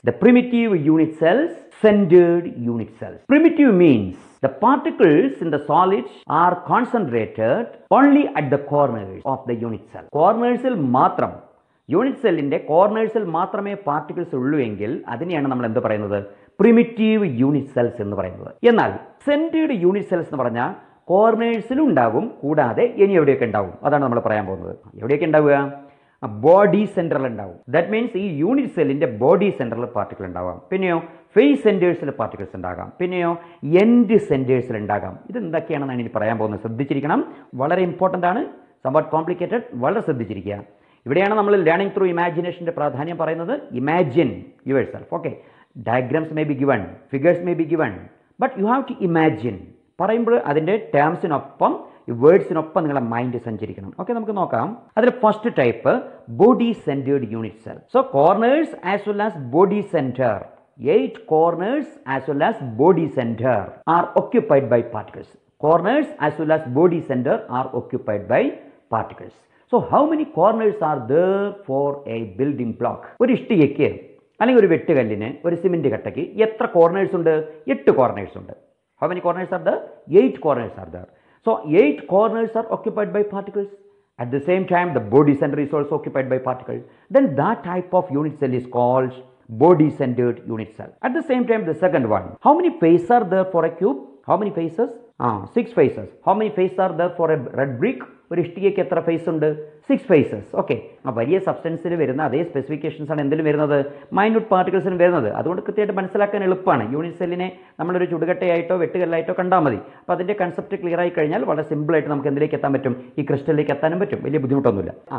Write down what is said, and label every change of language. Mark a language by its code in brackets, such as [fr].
[en] The primitive unit cells, centered unit cells. Primitive means the particles in the solid are concentrated only at the corners of the unit cell. [ml] Corners il matram. Unit സെല്ലിൻ്റെ കോർണേഴ്സിൽ മാത്രമേ particles ഉള്ളൂ എങ്കിൽ അതിനെയാണ് നമ്മൾ എന്ത് പറയുന്നത്? Primitive unit cells എന്ന് പറയുന്നത്. എന്നാൽ സെൻറ്റേർഡ് യൂണിറ്റ് സെൽസ് എന്ന് പറഞ്ഞാൽ കോർണേഴ്സിലും ഉണ്ടാകും, കൂടാതെ ഇനി എവിടെയൊക്കെ ഉണ്ടാവും, അതാണ് നമ്മൾ പറയാൻ പോകുന്നത്. എവിടെയൊക്കെ ഉണ്ടാവുക? ബോഡി സെൻട്രൽ ഉണ്ടാവും. [en] that means [ml] ഈ യൂണിറ്റ് സെല്ലിൻ്റെ ബോഡി സെൻട്രൽ പാർട്ടിക്കൽ ഉണ്ടാവാം. പിന്നെയോ ഫേസ് സെൻറ്റേഴ്സിൽ പാർട്ടിക്കൽസ് ഉണ്ടാകാം. പിന്നെയോ എൻഡ് സെൻറ്റേഴ്സിൽ ഉണ്ടാകാം. ഇത് എന്തൊക്കെയാണെന്നാണ് ഇനി പറയാൻ പോകുന്നത്, ശ്രദ്ധിച്ചിരിക്കണം. വളരെ ഇമ്പോർട്ടൻ്റ് ആണ്, [en] Somewhat complicated. [ml] വളരെ ശ്രദ്ധിച്ചിരിക്കുക. ഇവിടെയാണ് നമ്മൾ ലേണിംഗ് ത്രൂ ഇമാജിനേഷൻ്റെ പ്രാധാന്യം പറയുന്നത്. [en] Imagine yourself. Okay, diagrams may be given, figures may be given, but you have to imagine. [ml] പറയുമ്പോൾ അതിൻ്റെ ടേംസിനൊപ്പം ഈ വേർഡ്സിനൊപ്പം നിങ്ങളുടെ മൈൻഡ് സഞ്ചരിക്കണം. ഓക്കെ, നമുക്ക് നോക്കാം. അതിൽ first type body centred unit cell. [en] So corners as well as body centre, 8 corners as well as body center are occupied by particles. Corners as well as body center are occupied by particles. So how many corners are there for a building block? [ml] ഒരു ഇഷ്ടികയ്ക്ക് അല്ലെങ്കിൽ ഒരു വെട്ടുകല്ലിന് ഒരു cement കട്ടയ്ക്ക് എത്ര corners ഉണ്ട്? 8 corners ഉണ്ട്. [en] How many corners are there? 8 corners are there. So 8 corners are occupied by particles. At the same time the body center is also occupied by particles. Then that type of unit cell is called body centered unit cell. At the same time the second one, how many faces are there for a cube? How many faces? 6 faces. How many faces are there for a red brick? [ml] ഒരു ഇഷ്ടികയ്ക്ക് എത്ര face ഉണ്ട്? 6 faces. Okay, ആ വലിയ സബ്സ്റ്റൻസിൽ വരുന്ന അതേ സ്പെസിഫിക്കേഷൻസാണ് എന്തെങ്കിലും വരുന്നത്, minute പാർട്ടിക്കൽസിന് വരുന്നത്. അതുകൊണ്ട് കൃത്യമായിട്ട് മനസ്സിലാക്കാൻ എളുപ്പമാണ്. യൂണിറ്റ് സെല്ലിനെ നമ്മളൊരു ചുടുകട്ടയായിട്ടോ വെട്ടുകല്ലായിട്ടോ കണ്ടാൽ മതി. അപ്പോൾ അതിൻ്റെ കൺസെപ്റ്റ് ക്ലിയർ ആയി കഴിഞ്ഞാൽ വളരെ സിമ്പിളായിട്ട് നമുക്ക് എന്തിലേക്ക് എത്താൻ പറ്റും, ഈ ക്രിസ്റ്റലിലേക്ക് എത്താനും പറ്റും. വലിയ ബുദ്ധിമുട്ടൊന്നുമില്ല.